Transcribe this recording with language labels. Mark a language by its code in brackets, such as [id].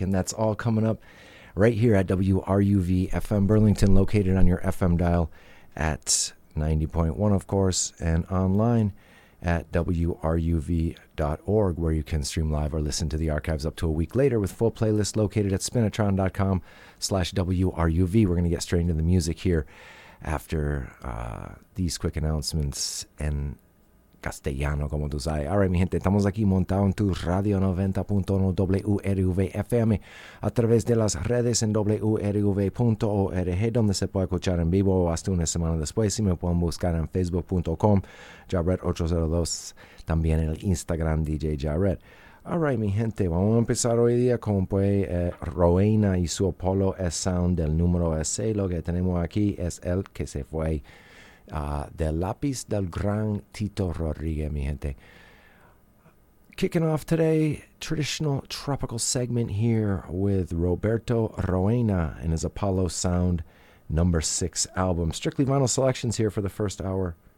[en] And that's all coming up right here at WRUV-FM Burlington, located on your FM dial at 90.1, of course, and online at WRUV.org, where you can stream live or listen to the archives up to a week later with full playlist located at spinatron.com/WRUV. We're going to get straight into the music here after these quick announcements [es] en castellano, como tú sabes. [en] All right, [es] mi gente, estamos aquí montado en tu radio 90.1 WRUV-FM a través de las redes en WRUV.org, donde se puede escuchar en vivo hasta una semana después. Y me pueden buscar en facebook.com. Jarrett802, también en el Instagram DJ Jarrett. [en] All right, [es] mi gente, vamos a empezar hoy día con Rowena y su Apollo S Sound del número S. Lo que tenemos aquí es el que se fue del lápiz del gran Tito Rodríguez, mi gente. [en] Kicking off today, traditional tropical segment here with Roberto Rowena and his Apollo Sound number 6 album. Strictly vinyl selections here for the first hour.